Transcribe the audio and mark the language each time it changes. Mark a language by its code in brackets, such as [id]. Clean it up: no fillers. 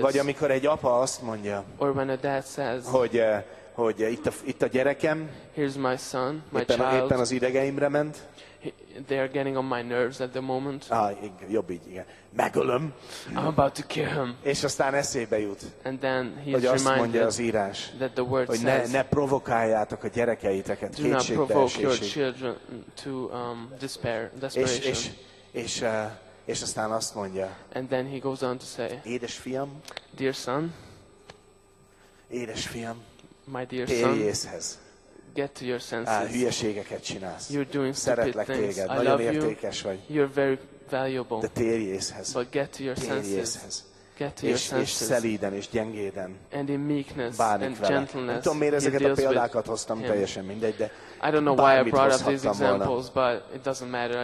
[hu] Vagy amikor egy apa azt mondja, [en] or when a dad says, [hu] hogy itt a gyerekem, [en] here's my son, my [hu] éppen, [en] child, [hu] éppen az idegeimre ment. [en] They are getting on my nerves at the moment. [hu] Jobb így, igen. Megölöm. [en] I'm about to kill him. [hu] És aztán eszébe jut. [en] And then he [hu] hogy azt [en] reminded [hu] mondja az írás, [en] that the word [hu] hogy [en] says, [hu] ne provokáljátok a gyerekeiteket kétségbeesésig. [en] Do not provoke your children to despair, desperation. [hu] És aztán azt mondja. [en] And then he goes on to say, [hu] édesfiam. [en] Dear son. [hu] Édesfiam. [en] My dear son. Get to your senses. [hu] Hülyeséget csinálsz. [en] You're doing stupid [hu] szeretlek [en] things. [hu] Téged. Nagyon értékes vagy. [en] You're very valuable. [hu] De térj észhez. [en] But get to your senses. Get to your senses. [hu] És szelíden és gyengéden. [en] And in meekness [hu] bánik [en] and gentleness. [hu] Nem tudom, miért ezeket a példákat hoztam, teljesen mindegy, de [en] I don't know why I brought up these examples, but it doesn't matter.